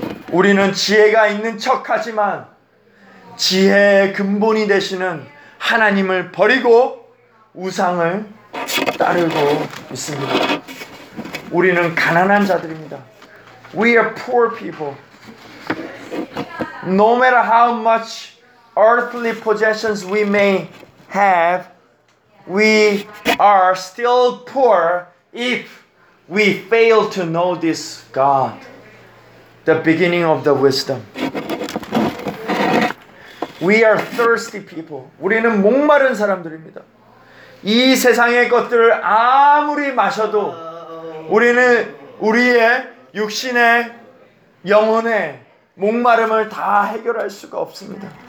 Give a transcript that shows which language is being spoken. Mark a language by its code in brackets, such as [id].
[ko] 우리는 지혜가 있는 척 하지만 지혜의 근본이 되시는 하나님을 버리고 우상을 따르고 있습니다. 우리는 가난한 자들입니다. [en] We are poor people. No matter how much earthly possessions we may have, we are still poor if we fail to know this God, the beginning of the wisdom. We are thirsty people. [ko] 우리는 목마른 사람들입니다. 이 세상의 것들을 아무리 마셔도 우리는 우리의 육신의 영혼의 목마름을 다 해결할 수가 없습니다.